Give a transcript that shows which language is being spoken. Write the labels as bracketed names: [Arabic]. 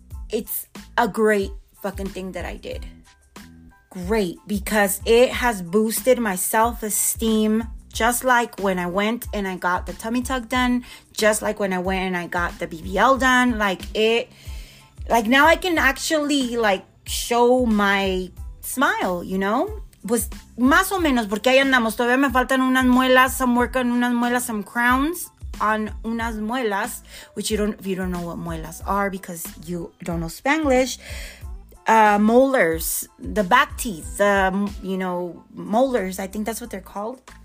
[English] It's a great fucking thing that I did. great because it has boosted my self-esteem, just like when I went and I got the tummy tuck done, just like when I went and I got the BBL done. Like, it, like, now I can actually, like, show my smile, you know? [Spanish] Pues, más o menos, porque ahí andamos. Todavía me faltan unas muelas, [English] I'm working unas muelas, some crowns on unas muelas, which you don't, if you don't know what muelas are because you don't know Spanglish, molars, the back teeth, you know, molars, I think that's what they're called.